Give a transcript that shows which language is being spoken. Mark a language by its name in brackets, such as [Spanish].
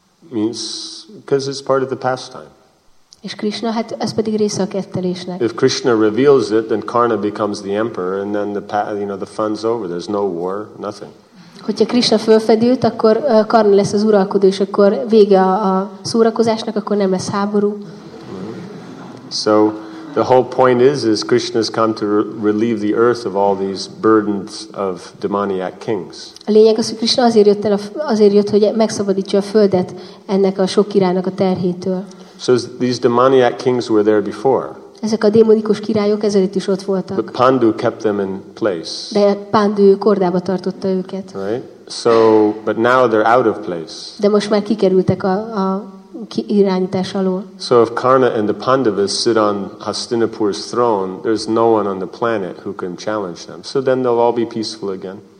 [English] Means because it's part of the pastime. [Hungarian] És Krishna, hát ez pedig része a kettelésnek. [English] If Krishna reveals it, then Karna becomes the emperor, and then the fun's over. There's no war, nothing. [Hungarian] Hogyha Krishna fölfedi őt, akkor Karna lesz az uralkodó, és akkor vége a szórakozásnak, akkor nem lesz háború. Mm-hmm. [English] So the whole point is Krishna's come to relieve the earth of all these burdens of demoniac kings. [Hungarian] A lényeg az, hogy Krishna azért jött, hogy megszabadítsa a földet ennek a sok királynak a terhétől. [English] So these demoniac kings were there before. [Hungarian] Ezek a démonikus királyok ezelőtt is ott voltak. [English] But Pandu kept them in place. [Hungarian] De Pandu kordába tartotta őket. [English] Right? So, but now they're out of place. [Hungarian] De most már kikerültek a irányítás alól. [English] So if Karna and the Pandavas sit on Hastinapur's throne, there's no one on the planet who can challenge them. So then they'll all be peaceful again.